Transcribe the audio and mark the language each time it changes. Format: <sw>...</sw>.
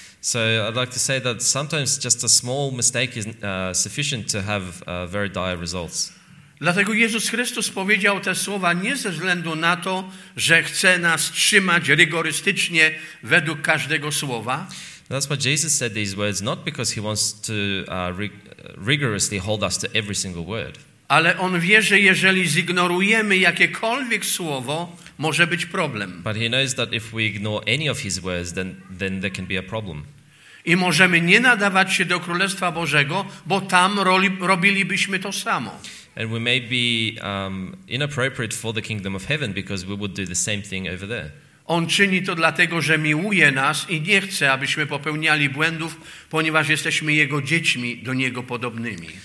<en>So I'd like to say that sometimes just a small mistake is sufficient to have very dire results.</en> <pl>Dlatego Jezus Chrystus powiedział te słowa nie ze względu na to, że chce nas trzymać rygorystycznie według każdego słowa.</pl> <en>That's why Jesus said these words, not because he wants to rigorously hold us to every single word.</en> <pl>Ale on wie, że jeżeli zignorujemy jakiekolwiek słowo, może być problem.</pl> <en>But he knows that if we ignore any of his words, then there can be a problem.</en> <pl>I możemy nie nadawać się do Królestwa Bożego, bo tam robilibyśmy to samo.</pl> <en>And we may be inappropriate for the kingdom of heaven because we would do the same thing over there.</en> <pl>On czyni to dlatego, że miłuje nas i nie chce, abyśmy popełniali błędów, ponieważ jesteśmy jego dziećmi, do niego podobnymi.</pl>